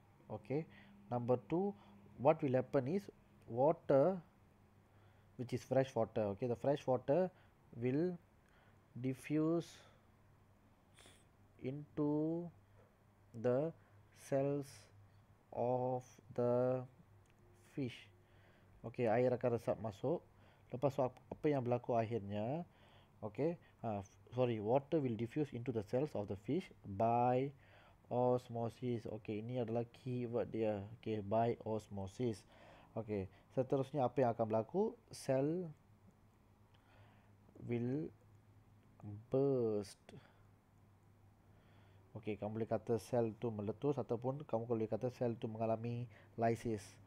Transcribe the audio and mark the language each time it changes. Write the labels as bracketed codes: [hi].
[en] Okay, number two, what will happen is water, which is fresh water, okay, the fresh water will diffuse into the cells of the fish. [ms] Okay, air akan resap masuk. Lepas tu apa yang berlaku akhirnya? [en] Okay, water will diffuse into the cells of the fish by osmosis. [ms] Okay, ini adalah keyword dia. Okay, [en] by osmosis. [ms] Okay, seterusnya apa yang akan berlaku? [en] Cell will burst. [ms] Okay, kamu boleh kata sel tu meletus ataupun kamu boleh kata sel tu mengalami lysis.